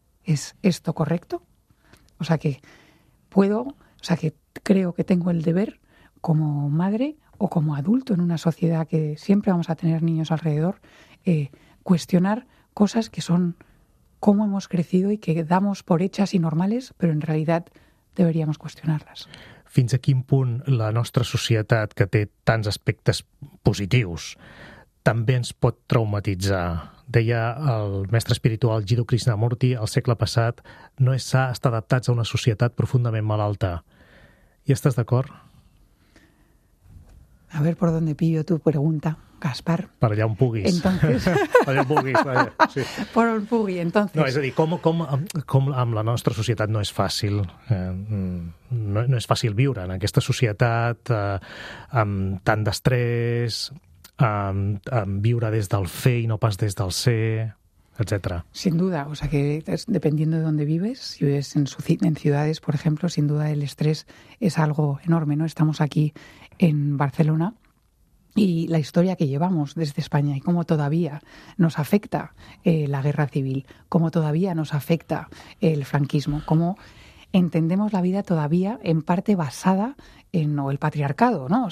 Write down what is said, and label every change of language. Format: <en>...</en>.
<es>¿Es esto correcto? O sea, que puedo, o sea, que creo que tengo el deber como madre o como adulto en una sociedad que siempre vamos a tener niños alrededor, cuestionar cosas que son cómo hemos crecido y que damos por hechas y normales, pero en realidad deberíamos cuestionarlas.</es> <ca>Fins a quin punt la nostra societat, que té tants aspectes positius, també ens pot traumatitzar? Deia el mestre espiritual Jiddu Krishnamurti al segle passat, no és sa estar adaptats a una societat profundament malalta. I estàs d'acord?</ca> <es>A ver por dónde pillo tu pregunta, Gaspar. Para allá un puguis. Entonces... Para un puguis, vaya. Sí. Por un pugui, entonces.</es> <ca>No, és a dir, com amb la nostra societat no és fàcil, no és fàcil viure en aquesta societat amb tant d'estrès, amb viure des del fer i no pas des del ser, etc.</ca> <es>Sin duda, o sea que dependiendo de dónde vives, si vives en ciudades, por ejemplo, sin duda el estrés es algo enorme, ¿no? Estamos aquí en Barcelona y la historia que llevamos desde España y cómo todavía nos afecta la guerra civil, cómo todavía nos afecta el franquismo, cómo entendemos la vida todavía en parte basada en el patriarcado, ¿no?</es>